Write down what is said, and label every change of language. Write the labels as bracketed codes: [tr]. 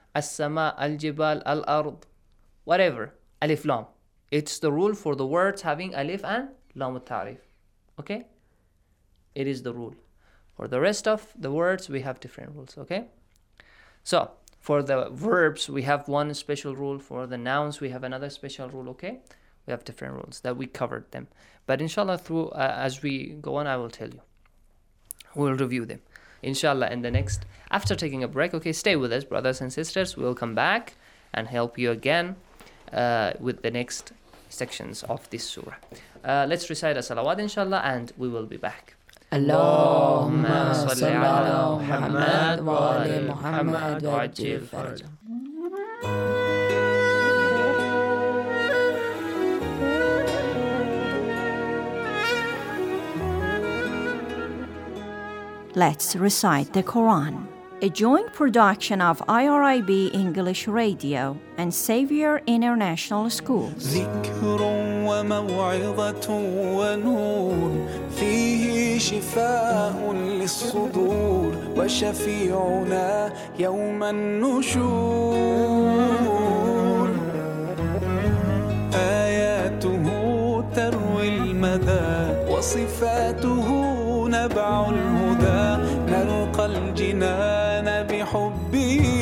[ar] السماء الجبال الأرض [en] whatever [ar] ألف لام. [en] It's the rule for the words having ألف and لام التعريف. Okay, it is the rule. For the rest of the words we have different rules. Okay, so for the verbs we have one special rule, for the nouns we have another special rule. Okay, we have different rules that we covered them, but inshallah through as we go on I will tell you, we'll review them inshallah in the next, after taking a break. Okay, stay with us brothers and sisters, we'll come back and help you again with the next sections of this surah. Let's recite a salawat inshallah and we will be back. [ar] اللهم صل على محمد وآل محمد وعجل فرجهم. [en] Let's recite the Quran, a joint production of IRIB English Radio and Xavier International Schools. [ar] ذكر وموعظة ونور فيه شفاء للصدور وشفيعنا يوم النشور آياته تروي المدى وصفاته نبع الهدى نرقى الجنان بحبه